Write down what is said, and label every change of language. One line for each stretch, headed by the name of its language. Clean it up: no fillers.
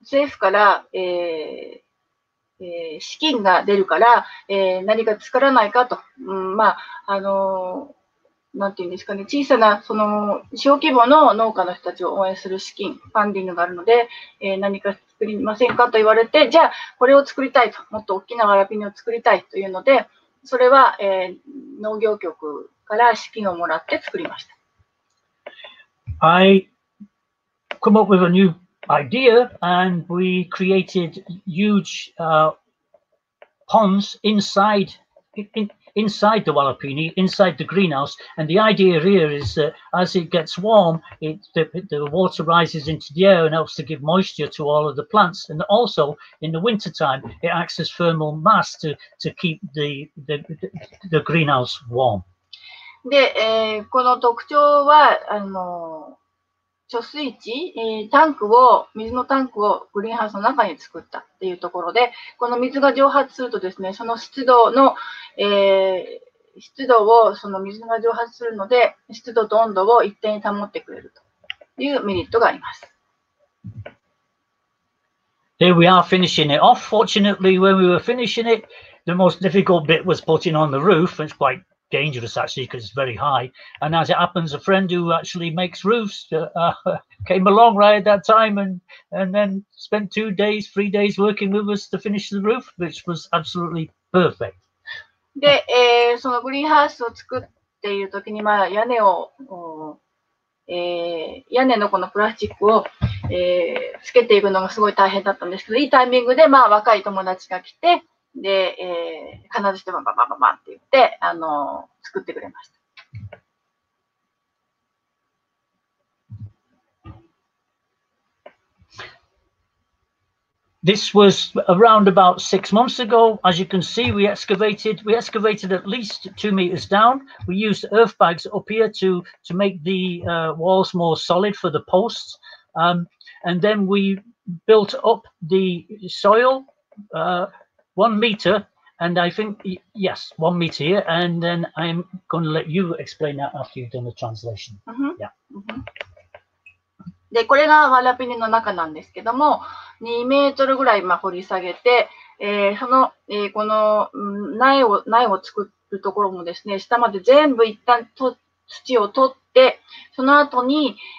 Japanese: 府から、資金が出るから、何か作らないかと、うん、まあ、なんていうんですかね、小さなその小規模の農家の人たちを応援する資金、ファンディングがあるので、何か作りませんかと言われて、じゃあこれを作りたいと、もっと大きなわらびにを作りたいというので、それは、農業局から資金をもらって作りました。
English: I come up with a new idea and we created huge ponds inside. inside the Walapini, inside the greenhouse. And the idea here is that as it gets warm, the water rises into the air and helps to give moisture to all of the plants. And also in the winter time, it acts as thermal mass to keep the greenhouse warm.
Japanese: で、この特徴は、貯水池、タンクを、水のタンクをグリーンハウスの中に作ったっていうところで、この水が蒸発するとですね、その湿度の、湿度を、その水が蒸発するので、湿度と温度を一定に保ってくれるというメリットがあります。
English: Here we are finishing it off. Fortunately, when we were finishing it, the most difficult bit was putting on the roof. It's quite dangerous actually because it's very high. And as it happens, a friend who actually makes roofs came along right at that time and then spent three days working with us to finish the roof, which was absolutely perfect.
Japanese: で、そのグリーンハウスを作っている時に、まあ、屋根を、屋根のこのプラスチックを、つけていくのがすごい大変だったんですけど、いいタイミングで、まあ、若い友達が来て、で、必ずしてもバババババって言って、作ってくれました。
English: This was around about 6 months ago. As you can see, we excavated at least 2 meters down. We used earth bags up here to make the walls more solid for the posts. And then we built up the soil 1 meter. And I think, yes, 1 meter here. And then I'm going to let you explain that after you've done the translation. Mm-hmm. Yeah. Mm-hmm.
Japanese: で、これがワラピニの中なんですけども、2メートルぐらい掘り下げて、その、この苗を作るところもですね、下まで全部一旦土を取って、その後に、